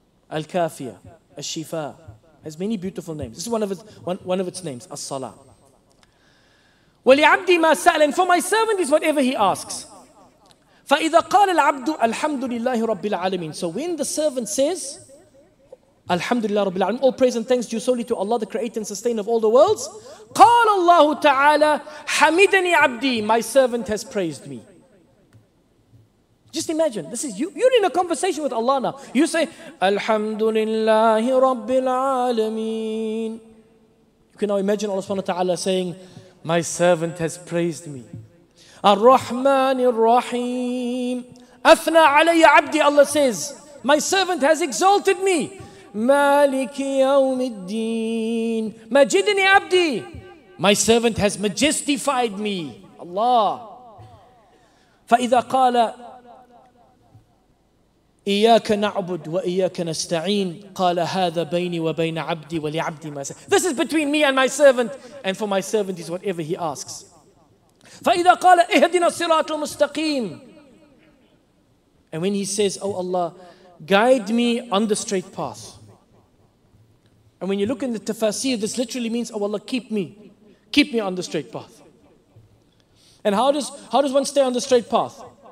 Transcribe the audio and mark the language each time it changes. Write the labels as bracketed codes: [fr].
[en] Al-Kafiya, Al-Shifa, has many beautiful names. This is one of its names, As-Salah. [ar] وَلِعَبْدِ مَا سَأَلَ. [en] And for my servant is whatever he asks. [ar] فَإِذَا قَالَ الْعَبْدُ الْحَمْدُ لِلَّهِ رَبِّ الْعَالَمِينَ. [en] So when the servant says, [ar] Alhamdulillah Rabbil Alameen, [en] all praise and thanks due solely to Allah, the Creator and Sustainer of all the worlds. [ar] قال الله تعالى حمدني عبدي. [en] My servant has praised me. Just imagine, this is you. You're in a conversation with Allah now. You say, [ar] Alhamdulillah Rabbil Alameen. [en] You can now imagine Allah Subhanahu wa Taala saying, My servant has praised me. [ar] Ar-Rahman Ar-Rahim. Afna alayya abdi. [en] Allah says, My servant has exalted me. [ar] مالك يوم الدين مجدني عبدي. [en] My servant has majestified me. Allah. [ar] فإذا قال إياك نعبد وإياك نستعين قال هذا بيني وبين عبدي ولعبدي ما سأل. [en] This is between me and my servant, and for my servant is whatever he asks. [ar] فإذا قال إهدنا الصراط المستقيم. [en] And when he says, Oh Allah, guide me on the straight path. And when you look in the tafsir, this literally means, Oh Allah, keep me on the straight path. And how does one stay on the straight path?